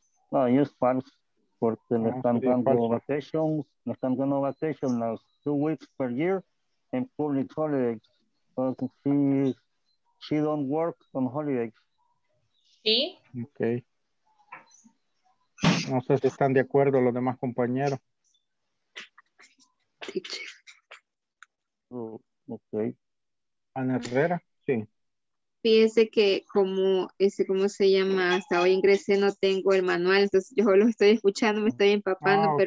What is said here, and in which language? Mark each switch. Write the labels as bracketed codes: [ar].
[es] No, ahí es falso, porque le están dando vacaciones, le están dando vacaciones las [en] 2 weeks per year. En public holidays, but she don't work on holidays. [es] Sí. [en] Okay. [es] No sé si están de acuerdo los demás compañeros. [en] Oh, okay. [es] Ana Herrera, sí. Fíjese que como ese cómo se llama, hasta hoy ingresé, no tengo el manual, entonces yo lo estoy escuchando, me estoy empapando, okay.